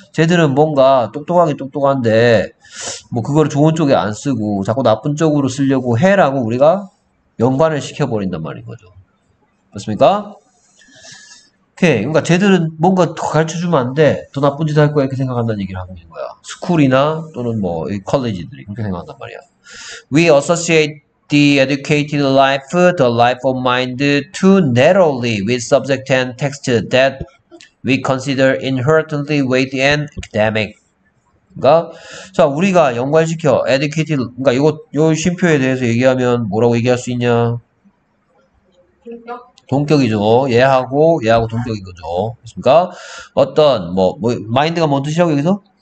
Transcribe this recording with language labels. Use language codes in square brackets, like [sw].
[ko] 쟤들은 뭔가 똑똑하게 똑똑한데 뭐 그걸 좋은 쪽에 안 쓰고 자꾸 나쁜 쪽으로 쓰려고 해라고 우리가 연관을 시켜버린단 말인 거죠. 맞습니까? 오케이. 그러니까 쟤들은 뭔가 더 가르쳐주면 안 돼. 더 나쁜 짓할 거야 이렇게 생각한다는 얘기를 하는 거야. 스쿨이나 또는 뭐 컬리지들이 그렇게 생각한단 말이야. [en] We associate the educated life, the life of mind, too narrowly with subject and text that we consider inherently weighty and academic. [ko] 그러니까, 자, 우리가 연관시켜, educated, 그러니까 요 쉼표에 대해서 얘기하면 뭐라고 얘기할 수 있냐? 동격이죠. 얘하고 동격인 거죠. 그러니까 어떤, 뭐, 마인드가 뭔 뜻이라고 여기서?